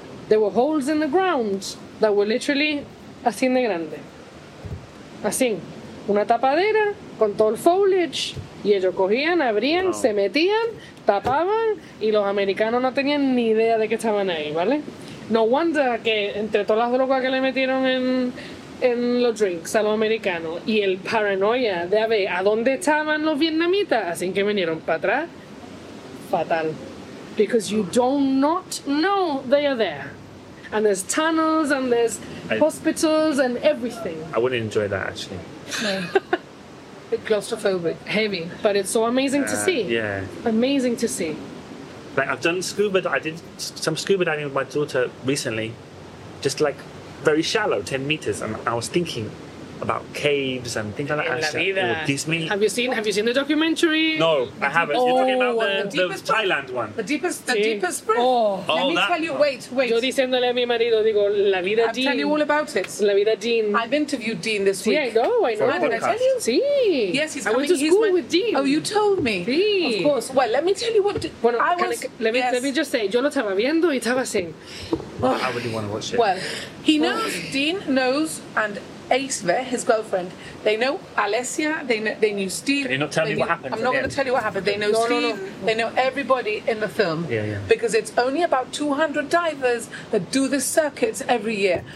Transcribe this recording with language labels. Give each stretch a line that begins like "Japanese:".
English: There were holes in the ground that were literally
Spanish: así de grande. Así. Una tapadera con todo el foliage. Y ellos cogían, abrían, se metían, tapaban, y los americanos no tenían ni idea de que estaban ahí, ¿vale?
English: No wonder
Spanish: que entre todas las drogas que le metieron en los drinks a los americanos y el paranoia de a ver a dónde estaban los vietnamitas, así que vinieron para atrás. Fatal.
English: Because you do not know they are there. And there's tunnels and there's hospitals and everything. I wouldn't enjoy that, actually. No. A bit claustrophobic. Heavy. But it's so amazing to see. Yeah. Amazing to see. Like, I've done scuba... I did some scuba diving with my daughter recently. Just, like, very shallow, 10 meters. And I was thinking, about caves and things like that.
Spanish: La vida.
English: Have you seen the documentary? No, I haven't. Oh, you're talking about the Thailand one. The deepest breath. Oh, let me tell you. Wait.
Spanish: Yo diciéndole a mi marido, digo, la vida.
English: I'll tell you all about it.
Spanish: La vida, Dean.
English: I've interviewed Dean this week. Yeah, I know. I know. Did I tell you?
Spanish: Sí.
English: Yes, he's I coming. I went to school with Dean. Oh, you told me.
Spanish: Sí.
English: Of course. Well, let me tell you what. Let me just say,
Spanish: yo lo estaba viendo y estaba así.
English: Oh. I really want to watch it. Well, he knows, Dean knows, and Aceve, his girlfriend, they know Alessia, they knew Steve. Can you not tell me what happened? I'm not going to tell you what happened. They know Steve, they know everybody in the film. Yeah, yeah. Because it's only about 200 divers that do the circuits every year.